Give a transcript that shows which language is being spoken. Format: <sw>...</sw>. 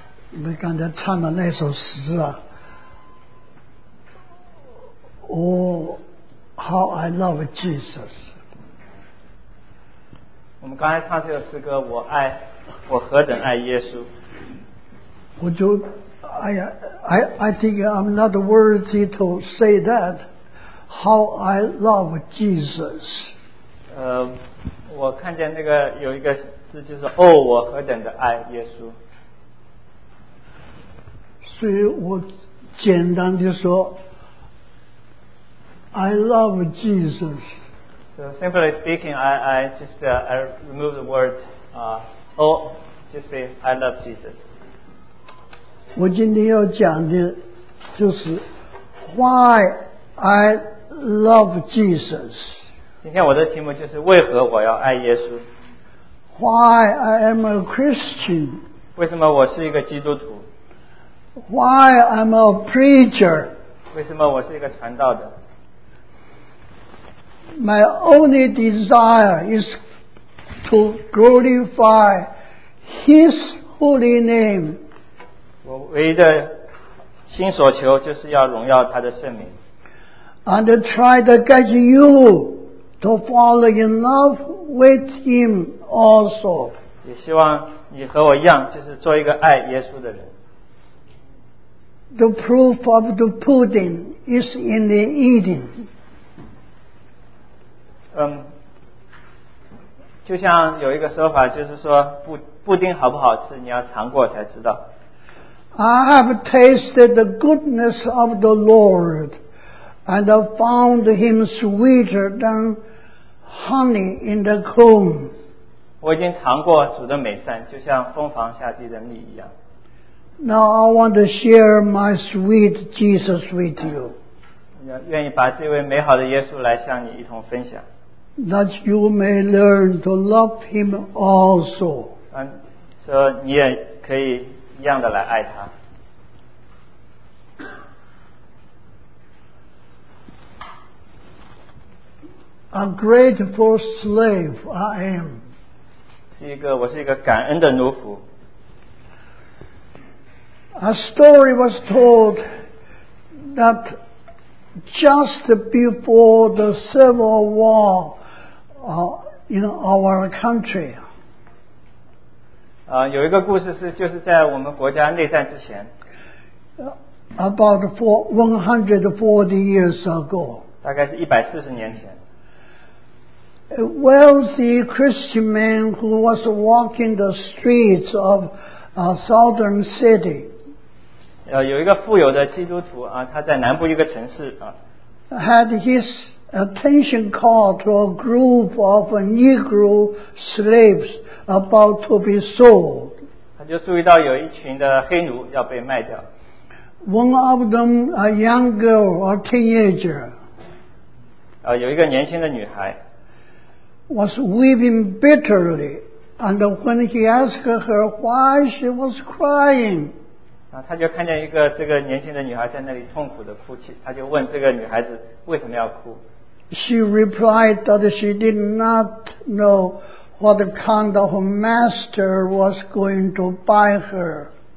<zh>你们刚才唱的那首诗啊，</zh> <en>Oh, how I love Jesus。</en> <zh>我们刚才唱这首诗歌，我爱，我何等爱耶稣。我就</zh> <en>I think I'm not worthy to say that, how I love Jesus。</en> <zh>我看见那个有一个字就是 Oh, 我何等的爱耶稣。所以我简单地说</zh> <en>I love Jesus. So simply speaking, I just I remove the word oh, just say I love Jesus.</en> <zh>我今天要讲的就是</zh> <en>Why I love Jesus.</en> <zh>今天我的题目就是为何我要爱耶稣。</zh> <en>Why I am a Christian.</en> <zh>为什么我是一个基督徒。</zh> <en>Why I'm a preacher?</en> <zh>为什么我是一个传道的？</zh> <en>My only desire is to glorify His holy name.</en> <zh>我唯一的心所求就是要荣耀他的圣名。</zh> <en>And try to get you to fall in love with Him also.</en> <zh>也希望你和我一样，就是做一个爱耶稣的人。</zh> <en>The proof of the pudding is in the eating.</en> <zh>就像有一个说法，就是说布丁好不好吃，你要尝过才知道。</zh> <en>I have tasted the goodness of the Lord, and found Him sweeter than honey in the comb.</en> <zh>我已经尝过主的美善，就像蜂房下地的蜜一样。</zh> <en>Now I want to share my sweet Jesus with you.</en> <zh>愿意把这位美好的耶稣来向你一同分享。</zh> <en>That you may learn to love Him also.</en> <zh>所以你也可以一样的来爱他。</zh> <en>A grateful slave I am.</en> <zh>我是一个感恩的奴仆。</zh> <en>A story was told that just before the Civil War in our country.</en> <zh>有一个故事是就是在我们国家内战之前。</zh> <en>About 140 years ago.</en> <zh>大概是140年前。</zh> <en>A wealthy Christian man who was walking the streets of a southern city.</en> <zh>有一个富有的基督徒啊，他在南部一个城市啊。</zh> <en>Had his attention called to a group of Negro slaves about to be sold.</en> <zh>他就注意到有一群的黑奴要被卖掉。</zh> <en>One of them, a young girl, a teenager,</en> <zh>有一个年轻的女孩,</zh> <en>was weeping bitterly. And when he asked her why she was crying,</en> <zh>他就看见一个这个年轻的女孩在那里痛苦地哭泣，他就问这个女孩子为什么要哭。</zh> <en>She replied that she did not know what kind of master was going to buy her.</en>